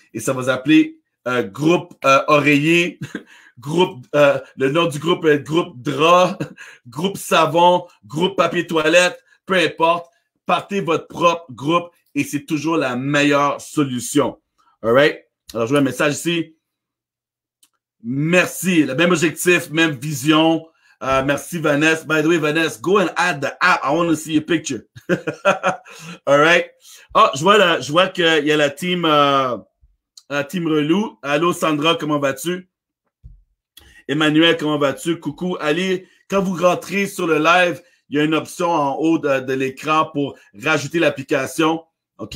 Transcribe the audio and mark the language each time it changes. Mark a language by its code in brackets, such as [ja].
[fr] Et ça va s'appeler groupe oreiller, groupe, le nom du groupe est groupe drap, groupe savon, groupe papier toilette, peu importe. Partez votre propre groupe et c'est toujours la meilleure solution. [en] All right? [fr] Alors, je vois un message ici. Merci. Le même objectif, même vision. Merci, Vanessa. [en] By the way, Vanessa, go and add the app. I want to see your picture. All right. [fr] Oh, je vois qu'il y a la team relou. Allô, Sandra, comment vas-tu? Emmanuel, comment vas-tu? Coucou. Allez, quand vous rentrez sur le live, il y il y a une option en haut de l'écran pour rajouter l'application. OK?